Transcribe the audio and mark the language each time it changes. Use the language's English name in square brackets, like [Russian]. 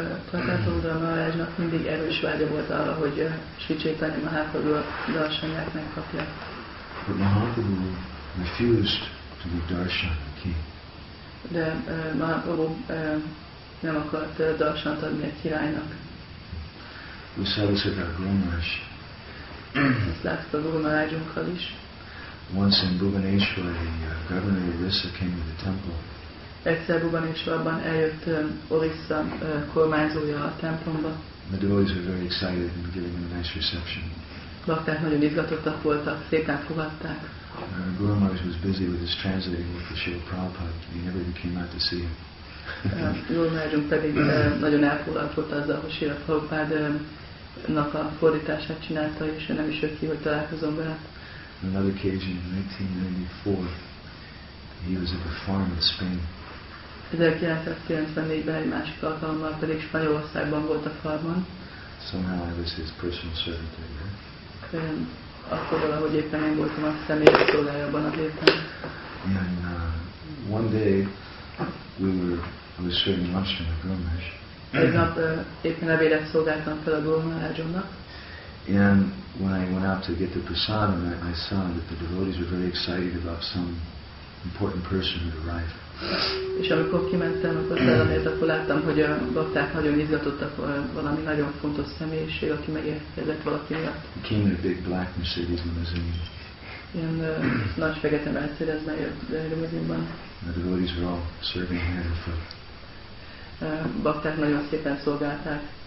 [Hungarian] Pratapurudra Maharajnak mindig erős vágya volt arra, hogy Sri Chaitanya Mahaprabhu darshanját megkapja. [English] But Mahaprabhu refused to give darshan a king. [Hungarian] De Mahaprabhu nem akart darshant adni a királynak. [English] We saw this with our Guru Maharaj. [Hungarian] Ezt láttuk a Guru Maharajunkkal is. [English] Once in Bhubaneswar, the governor of Orissa came to the temple. [Hungarian] Egyszer Bhubaneswarban eljött Orissa kormányzója a templomba. [English] The devotees were very excited and giving him a nice reception. [Hungarian] Bakták nagyon izgatottak voltak, szépen fogadták. [English] Guru Maharaj was busy with his translating work for Srila Prabhupada. He never even came out to see him. [Hungarian] Guru Maharajunk pedig nagyon elfoglalt volt azzal, hogy Srila Prabhupádnak a fordítását csinálta, és ő nem is jött ki, hogy találkozom vele. [English] On another occasion, in 1994, he was at a farm in Spain. [Hungarian] 1994-ben egy másik alkalommal pedig Spanyolországban volt a farmon. [English] Somehow I was his personal servant there. [Hungarian] Akkor valahogy éppen én voltam a személyes szolgájában a héten. [English] And one day, I was serving lunch in a gourmet. [Hungarian] Egy nap éppen ebédet szolgáltam fel a Guru Maharajomnak. [English] And when I went out to get the prasad, I saw that the devotees were very excited about some important person who had arrived. [Hungarian] És amikor kimentem a prasadért, akkor láttam, hogy a bakták nagyon izgatottak valami nagyon fontos személyiség, aki megérkezett valaki miatt. [English] He came in a big black Mercedes limousine. [Hungarian] Ilyen nagy fekete Mercedes-ben jött a limousine-ban. [English] The devotees were all serving hand and foot. [Hungarian] Bakták nagyon szépen szolgálták.